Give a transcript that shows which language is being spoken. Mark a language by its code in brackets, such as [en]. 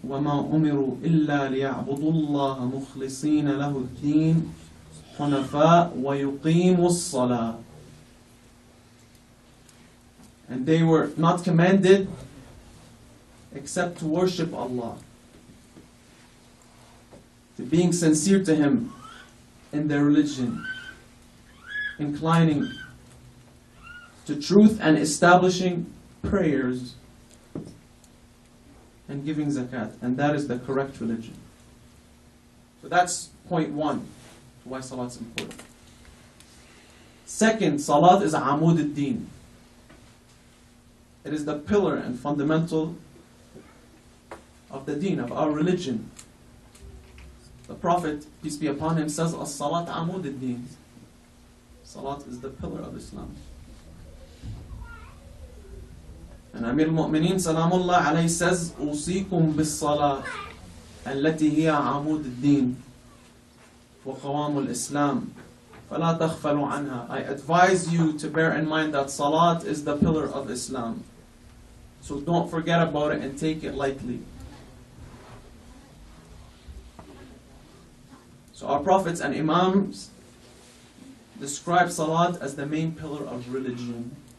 [ar] وَمَا أُمِرُوا إِلَّا لِيَعْبُدُوا اللَّهَ مُخْلِصِينَ لَهُ الدِّينَ حُنَفَاءَ وَيُقِيمُوا الصَّلَاةَ [en] And they were not commanded except to worship Allah. Being sincere to Him in their religion, inclining to truth and establishing prayers and giving zakat. And that is the correct religion. So that's point one, why salat is important. Second, salat is amud al-deen. It is the pillar and fundamental of the deen, of our religion. The Prophet, peace be upon him, says, [ar] As-salat amud al-deen. [en] Salat is the pillar of Islam. And Amir al-Mu'mineen, Salamullah alayhi, says, [ar] Usikum bis-salat, allati hiya amud al-deen. وقوام الإسلام فلا تغفلوا عنها. [en] I advise you to bear in mind that Salat is the pillar of Islam. So don't forget about it and take it lightly. So our prophets and imams describe Salat as the main pillar of religion.